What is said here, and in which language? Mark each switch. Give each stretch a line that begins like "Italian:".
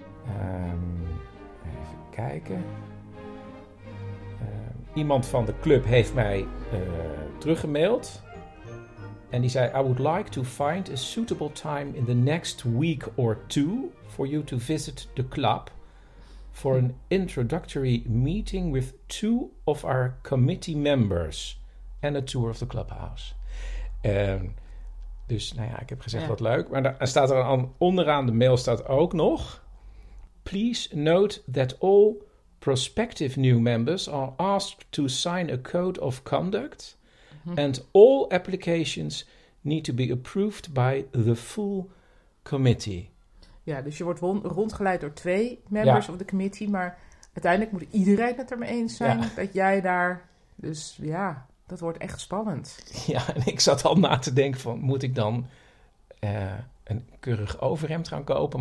Dutch: Even kijken. Iemand van de club heeft mij teruggemaild. En die zei,
English: I would like to find a suitable time in the next week or two for you to visit the club for an introductory meeting with two of our committee members and a tour of the clubhouse. Dus, nou ja, ik heb gezegd wat leuk.
Dutch: Maar daar staat er onderaan de mail staat ook nog,
English: please note that all prospective new members are asked to sign a code of conduct. And all applications need to be approved by the full committee.
Dutch: Ja, dus je wordt rondgeleid door twee
English: members of the committee.
Dutch: Maar uiteindelijk moet iedereen het ermee eens zijn dat jij daar... Dus ja, dat wordt echt spannend. Ja, en ik zat al na te denken van, moet ik dan een keurig overhemd gaan kopen?